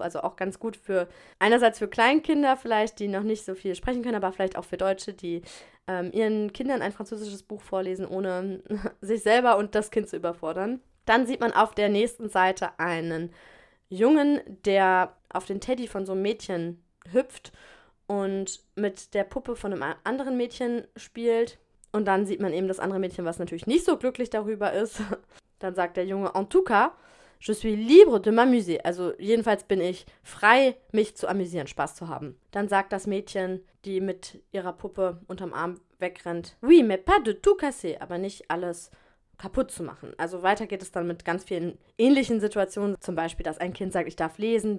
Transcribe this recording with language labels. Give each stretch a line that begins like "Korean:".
German: Also auch ganz gut für einerseits für Kleinkinder vielleicht, die noch nicht so viel sprechen können, aber vielleicht auch für Deutsche, die ihren Kindern ein französisches Buch vorlesen, ohne sich selber und das Kind zu überfordern. Dann sieht man auf der nächsten Seite einen Jungen, der auf den Teddy von so einem Mädchen hüpft und mit der Puppe von einem anderen Mädchen spielt. Und dann sieht man eben das andere Mädchen, was natürlich nicht so glücklich darüber ist. Dann sagt der Junge,
French: en tout cas, je suis libre de m'amuser.
German: Also jedenfalls bin ich frei, mich zu amüsieren, Spaß zu haben. Dann sagt das Mädchen, die mit ihrer Puppe unterm Arm wegrennt,
French: oui, mais pas de tout casser,
German: aber nicht alles kaputt zu machen. Also weiter geht es dann mit ganz vielen ähnlichen Situationen. Zum Beispiel, dass ein Kind sagt, ich darf lesen.